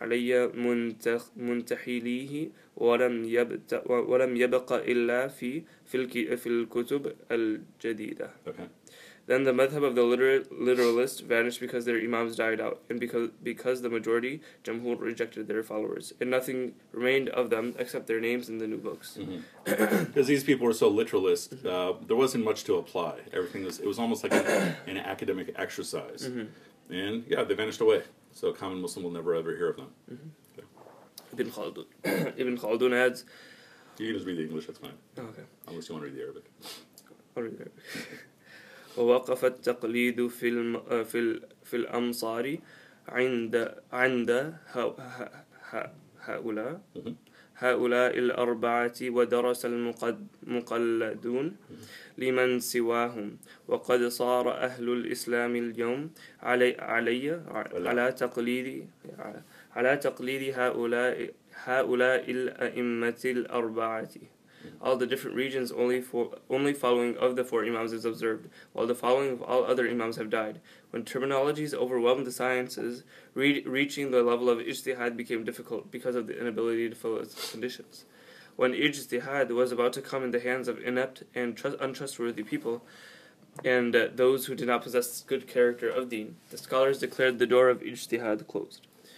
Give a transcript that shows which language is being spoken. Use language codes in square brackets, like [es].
[ar] علي منتحليه ولم يبق إلا في الكتب الجديدة. [en] Then the madhab of the literalist vanished because their imams died out, and because the majority, Jamhur, rejected their followers, and nothing remained of them except their names in the new books. Because these people were so literalist, there wasn't much to apply. Everything was, it was almost like an academic exercise. And yeah, they vanished away. So a common Muslim will never ever hear of them. Ibn Khaldun adds, You can just read the English, that's fine. Okay. Unless you want to read the Arabic. I'll read the Arabic. [ar] ووقف التقليد في الأمصار عند هؤلاء الأربعة ودرس المقلدون لمن سواهم وقد صار أهل الإسلام اليوم على تقليد هؤلاء الأئمة الأربعة. [en] All the different regions only following of the four imams is observed, while the following of all other imams have died. When terminologies overwhelmed the sciences, reaching the level of ijtihad became difficult because of the inability to follow its conditions. When ijtihad was about to come in the hands of inept and untrustworthy people, and those who did not possess good character of deen, the scholars declared the door of ijtihad closed.